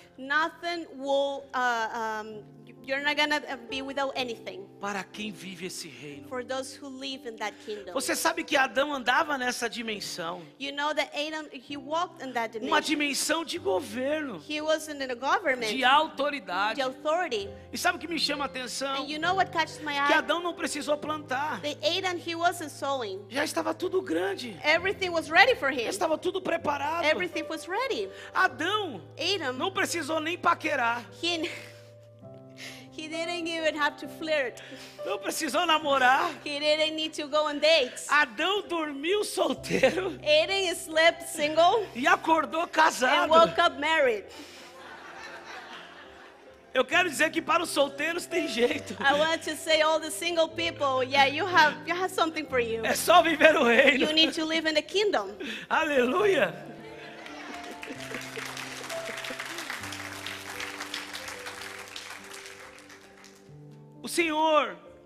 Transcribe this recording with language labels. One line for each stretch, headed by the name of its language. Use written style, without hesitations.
English: Nothing will You're not gonna be without anything.
Portuguese: Para quem vive esse reino.
English: For those who live in that kingdom.
Portuguese: Você sabe que Adão andava nessa dimensão.
English: You know that Adam, he walked in that dimension.
Portuguese: Uma dimensão de governo.
English: He wasn't in a government.
Portuguese: De autoridade.
English: The authority.
Portuguese: E sabe o que me chama a atenção?
English: And you know what catches my eye?
Portuguese: Que Adão não precisou plantar.
English: The Adam, he wasn't sowing.
Portuguese: Já estava tudo grande.
English: Everything was ready for him.
Portuguese: Já estava tudo preparado.
English: Everything was ready.
Portuguese: Adão.
English: Adam.
Portuguese: Não precisou nem paquerar.
English: He didn't even have to flirt.
Portuguese: Não precisou namorar.
English: He didn't need to go on dates.
Portuguese: Adão dormiu solteiro.
English: Adam slept single.
Portuguese: E acordou casado.
English: And woke up married.
Portuguese: Eu quero dizer que para os solteiros tem jeito.
English: I want to say all the single people, yeah, you have something for you.
Portuguese: É só viver o reino.
English: You need to live in the kingdom.
Portuguese: Aleluia. O Senhor,